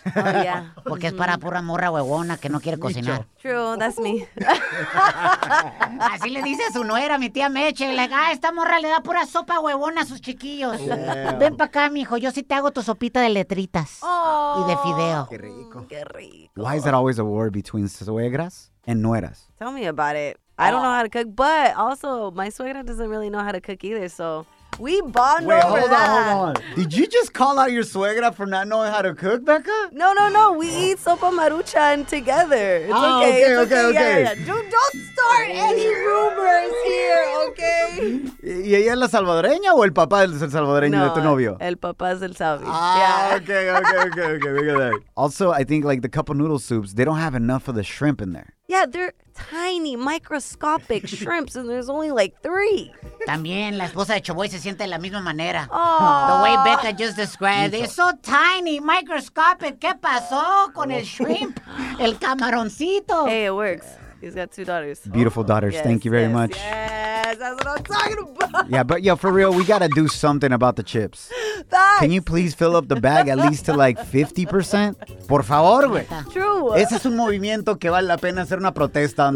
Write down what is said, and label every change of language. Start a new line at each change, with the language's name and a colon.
English: Oh, yeah.
Spanish: Porque es para pura morra huevona que no quiere cocinar.
English: True, that's me.
Spanish: Así le dice a su nuera, mi tía Meche. Like, esta morra le da pura sopa huevona a sus chiquillos.
English: Damn.
Spanish: Ven para acá, mijo. Yo sí te hago tu sopita de letritas. Oh, y de fideo. Qué rico. Qué rico.
English: Why is that always a war between suegras and nueras? Tell me about it. I don't know how to cook, but also my suegra doesn't really know how to cook either, so we bond that. Wait, hold on, hold on. Did you just call out your suegra for not knowing how to cook, Becca? No, no, no. We eat sopa maruchan together. It's okay. Okay, it's okay. Okay. Yeah, yeah. Don't start any rumors here, okay?
Spanish: ¿Y ella es la salvadoreña o el papá es el salvadoreño de tu novio? El papá es el salvi.
English: Okay. Look at that. Also, I think like the cup of noodle soups, they don't have enough of the shrimp in there. Yeah, they're tiny, microscopic shrimps, and there's only like 3.
Spanish: También la esposa de Chaboy se siente de la misma manera. Aww.
English: The way Becca just described it. So tiny, microscopic.
Spanish: ¿Qué pasó con el shrimp? El camaroncito.
English: Hey, it works. He's got 2 daughters. Beautiful daughters. Yes, thank you very much. Yes, that's what I'm talking about. Yeah, but for real, we got to do something about the chips. Thanks. Can you please fill up the bag at least to like 50%?
Spanish: Por favor, güey.
English: True.
Spanish: Ese es un movimiento que vale la pena hacer una protesta on